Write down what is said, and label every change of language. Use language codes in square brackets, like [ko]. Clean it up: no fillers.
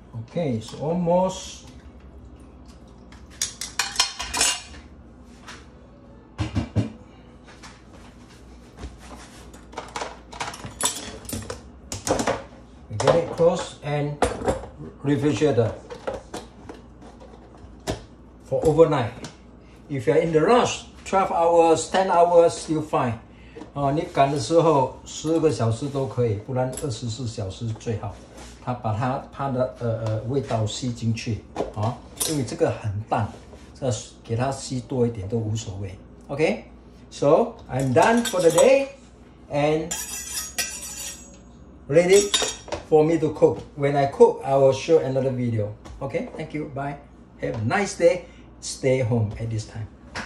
[en] Okay, so almost. We get it close and refrigerator. For overnight. If you're in the rush, 12 hours, 10 hours, you're fine. [zh] 你赶的时候 12个小时都可以, 不然 24小时最好, 它把它的味道吸进去, 因为这个很淡, 给它吸多一点都无所谓。 [en] Okay, so I'm done for the day, and ready for me to cook. When I cook, I will show another video. Okay, thank you, bye. Have a nice day. Stay home at this time.